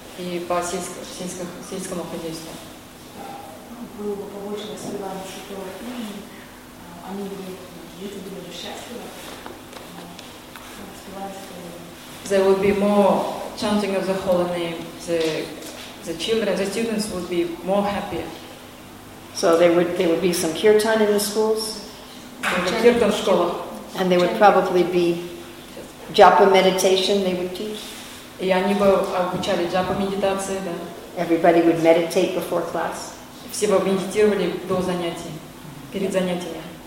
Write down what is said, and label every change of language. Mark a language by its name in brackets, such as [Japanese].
[Russian] И по сельскому хозяйству. Было бы побольше счастливы. [English] There would be more chanting of the holy name. The students would be more happy. So there would be some kirtan in the schools? [Russian] Kirtan в школах. [English] And there would probably be japa meditation they would teach? [Russian] И они бы обучали джапа медитации, да. [English] Everybody would meditate before class. [Russian] Все бы медитировали до занятий, перед занятиями.